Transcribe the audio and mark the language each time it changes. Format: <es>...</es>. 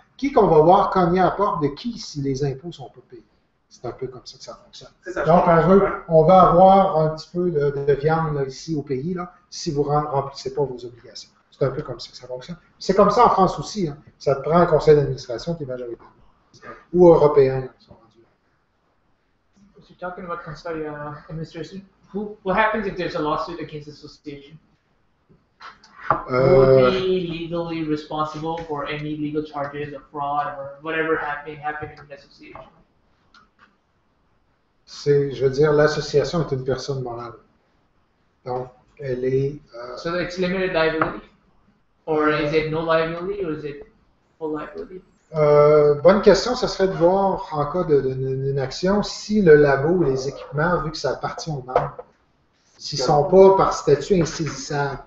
<fr>Qui qu'on va voir cogner à la porte de qui si les impôts sont pas payés. C'est un peu comme ça que ça fonctionne. Ça, donc, on va avoir un petit peu de viande là, ici au pays là, si vous ne remplissez pas vos obligations. C'est un peu comme ça que ça fonctionne. C'est comme ça en France aussi. Hein. Ça te prend un conseil d'administration qui est majoritaire. Ou européen.</fr> <en>If you're talking about consortium administration, what happens if there's a lawsuit against the association? Who would be legally responsible for any legal charges of fraud or whatever happening in the association?</en> <fr>C'est, je veux dire, l'association est une personne morale. Donc, elle est.</fr> <en>So it's limited liability, or is it no liability, or is it full liability?</en> <fr>Bonne question, ça serait de voir en cas d'une action si le labo ou les équipements, vu que ça appartient aux membres, s'ils ne sont pas par statut insaisissables.</fr>